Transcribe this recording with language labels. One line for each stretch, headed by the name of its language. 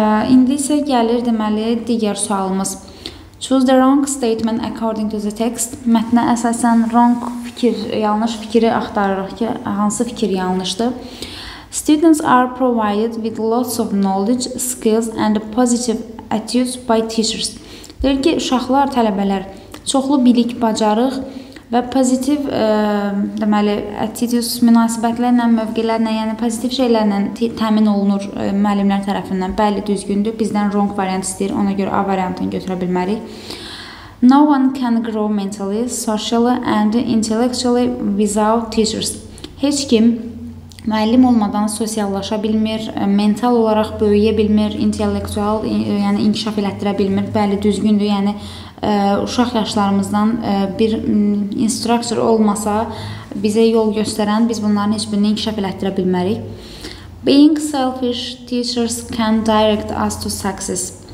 Azerbaijani: İndi isə gəlir deməli digər sualımız.
English: Choose the wrong statement according to the text.
Azerbaijani: Mətnə əsasən wrong fikir, yanlış fikri axtarırıq ki, hansı fikir yanlışdır.
English: Students are provided with lots of knowledge, skills and positive attitudes by teachers.
Azerbaijani: Deyir ki, uşaqlar, tələbələr çoxlu bilik, bacarıq və pozitiv deməli attitudes münasibətlərlə, mövqelərlə, yəni pozitiv şeylərlə təmin olunur müəllimlər tərəfindən. Bəli, düzgündür. Bizdən wrong variant istəyir. Ona görə A variantını götürə bilmərik.
English: No one can grow mentally, socially and intellectually without teachers.
Azerbaijani: Heç kim müəllim olmadan sosiallaşa bilmir, mental olaraq böyüyə bilmir, intellektual yəni inkişaf elətdirə bilmir. Bəli, düzgündür. Yəni uşaq yaşlarımızdan bir instruktor olmasa bizə yol göstərən biz bunların heç birini inkişaf elətdirə bilmərik.
English: Being selfish teachers can direct us to success.